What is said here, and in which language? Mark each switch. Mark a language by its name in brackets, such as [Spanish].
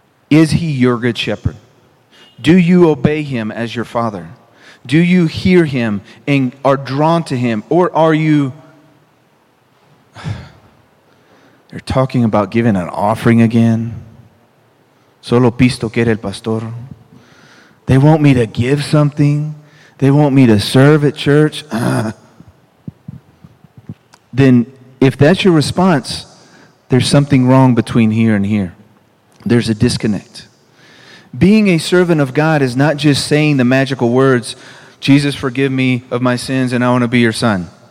[English] Is he your good shepherd? Do you obey him as your father? Do you hear him and are drawn to him? Or are you... They're talking about giving an offering again. [Spanish] Solo pisto quiere el pastor. [English] They want me to give something. They want me to serve at church. Then if that's your response, there's something wrong between here and here. There's a disconnect. Being a servant of God is not just saying the magical words, Jesus, forgive me of my sins and I want to be your son.